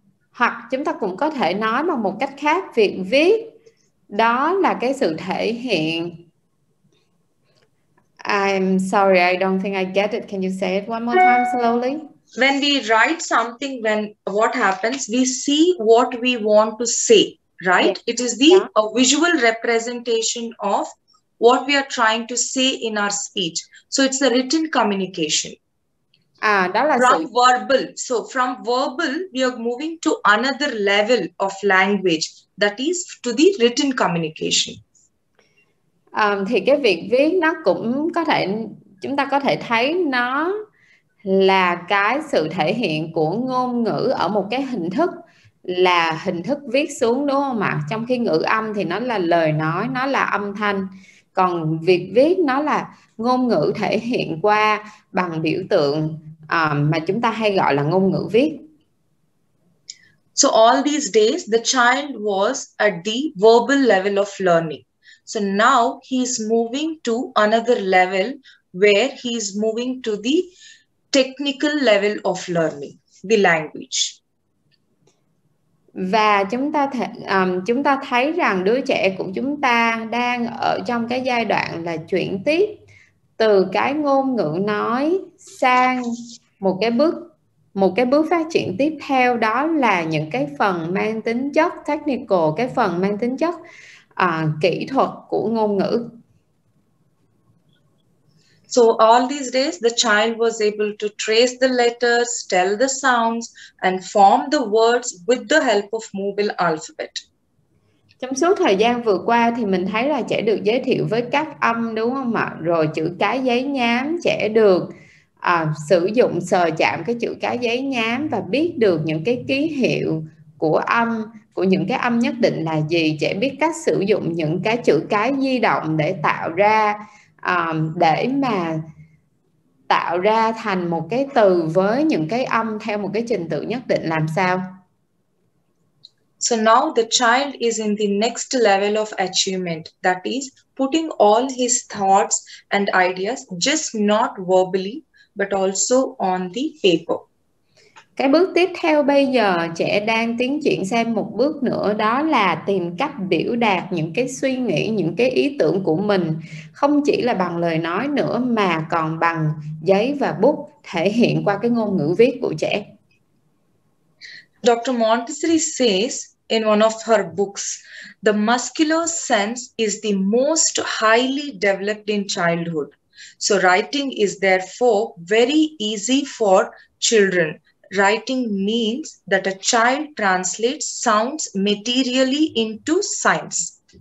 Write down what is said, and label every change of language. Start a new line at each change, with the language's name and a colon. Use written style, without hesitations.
Vietnamese: Hoặc chúng ta cũng có thể nói bằng một cách khác, việc viết đó là cái sự thể hiện.
English: I'm sorry, I don't think I get it. Can you say it one more time slowly? When we write something, when what happens, we see what we want to say, right? Yes. It is the a visual representation of what we are trying to say in our speech. So it's a written communication. From verbal, we are moving to another level of language, that is to the written communication.
Vietnamese: Thì cái việc viết nó cũng có thể, chúng ta có thể thấy nó là cái sự thể hiện của ngôn ngữ ở một cái hình thức, là hình thức viết xuống đúng không ạ? Trong khi ngữ âm thì nó là lời nói, nó là âm thanh. Còn việc viết nó là ngôn ngữ thể hiện qua bằng biểu tượng mà chúng ta hay gọi là ngôn ngữ viết.
English: So all these days, the child was at the verbal level of learning. So now he is moving to another level where he is moving to the technical level of learning, the language.
Vietnamese: Và chúng ta thấy rằng đứa trẻ của chúng ta đang ở trong cái giai đoạn là chuyển tiếp từ cái ngôn ngữ nói sang một cái bước phát triển tiếp theo, đó là những cái phần mang tính chất technical, cái phần mang tính chất kỹ thuật của ngôn ngữ.
English: So all these days, the child was able to trace the letters, tell the sounds, and form the words with the help of mobile alphabet.
Vietnamese: Trong suốt thời gian vừa qua thì mình thấy là trẻ được giới thiệu với các âm đúng không ạ? Rồi chữ cái giấy nhám, trẻ được sử dụng sờ chạm cái chữ cái giấy nhám và biết được những cái ký hiệu của âm, của những cái âm nhất định là gì. Trẻ biết cách sử dụng những cái chữ cái di động để tạo ra để mà tạo ra thành một cái từ với những cái âm theo một cái trình tự nhất định làm sao.
English: So now the child is in the next level of achievement, that is putting all his thoughts and ideas, just not verbally, but also on the paper.
Vietnamese: Cái bước tiếp theo bây giờ trẻ đang tiến triển sang một bước nữa, đó là tìm cách biểu đạt những cái suy nghĩ, những cái ý tưởng của mình không chỉ là bằng lời nói nữa mà còn bằng giấy và bút thể hiện qua cái ngôn ngữ viết của trẻ.
English: Dr. Montessori says in one of her books, the muscular sense is the most highly developed in childhood. So writing is therefore very easy for children. Writing means that a child translates sounds materially into signs.